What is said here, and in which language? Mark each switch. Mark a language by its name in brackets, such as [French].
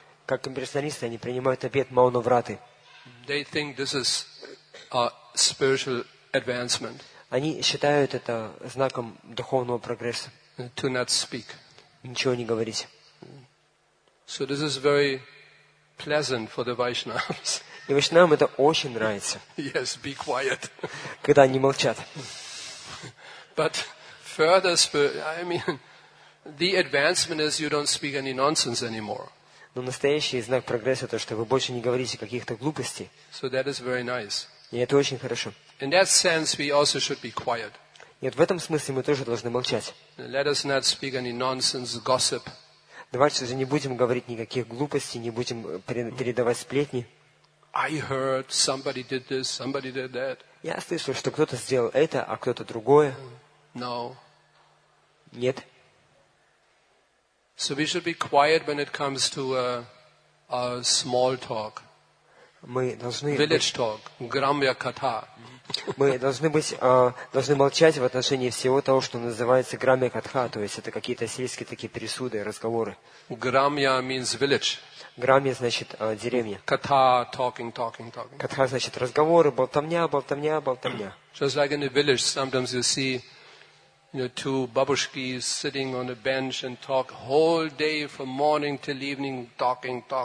[Russian] Как имперсоналисты, они принимают обет Маунавраты. [English] They think this is a spiritual advancement. [Russian] Они считают это знаком духовного прогресса. [English] To not speak. [Russian] Ничего не говорить. [English] So this is very pleasant for the Vaishnavas. [Russian] И Вайшнавам это очень нравится. [English] Yes, be quiet. [Russian] Когда они молчат. [English] But further, I mean, the advancement is you don't speak any nonsense anymore. [Russian] Но настоящий знак прогресса то, что вы больше не говорите каких-то глупостей. [English] So that is very nice. [Russian] И это очень хорошо. [English] In that sense, we also should be quiet. [Russian] Нет, в этом смысле мы тоже должны молчать. [English] Let us not speak any nonsense, gossip. [Russian] Давайте же не будем говорить никаких глупостей, не будем передавать сплетни. [English] I heard somebody did this, somebody did that. [Russian] Я слышал, что кто-то сделал это, а кто-то другое. [English] No. [Russian] Нет. [English] So we should be quiet when it comes to a small talk. [Russian] Мы должны [English] village talk, грамья ката. [Russian] Мы должны быть должны молчать в отношении всего того, что называется грамья катха, то есть это какие-то сельские такие пересуды, разговоры. [English] Грамья means village. [Russian] Грамья значит деревня. [English] Ката talking. [Russian] Катха значит разговоры, болтовня. [English] Just like in a village, sometimes you see, you know, two babushkis sitting on a bench and talk whole day from morning till evening, talking.